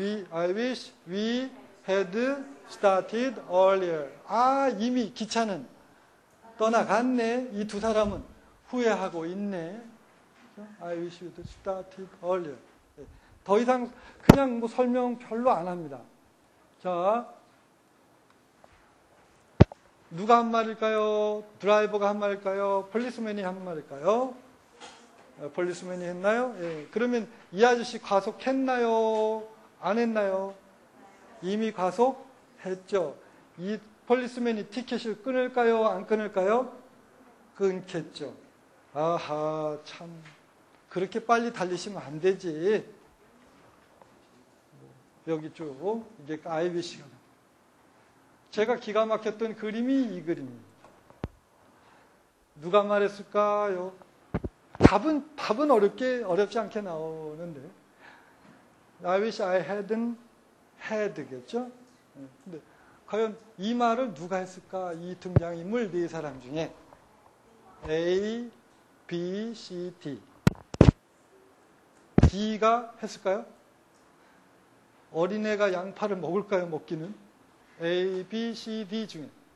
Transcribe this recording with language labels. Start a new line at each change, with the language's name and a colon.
English: I wish we had started earlier.
Korean: 아, 이미 기차는 떠나갔네. 이두 사람은 후회하고 있네.
English: I wish we had started earlier.
Korean: 더 이상 그냥 뭐 설명 별로 안 합니다. 자, 누가 한 말일까요? 드라이버가 한 말일까요? 폴리스맨이 한 말일까요? 폴리스맨이 했나요? 예. 그러면 이 아저씨 과속했나요? 안 했나요? 이미 과속했죠. 이 폴리스맨이 티켓을 끊을까요? 안 끊을까요? 끊겠죠. 아하, 참. 그렇게 빨리 달리시면 안 되지. 여기 쭉, 이게 아이비시가 제가 기가 막혔던 그림이 이 그림입니다. 누가 말했을까요? 답은 어렵지 않게 나오는데.
English: I wish I hadn't had겠죠?
Korean: 근데 과연 이 말을 누가 했을까? 이 등장인물 네 사람 중에. A, B, C, D. D가 했을까요? 어린애가 양파를 먹을까요? 먹기는? A, B, C, D 중에.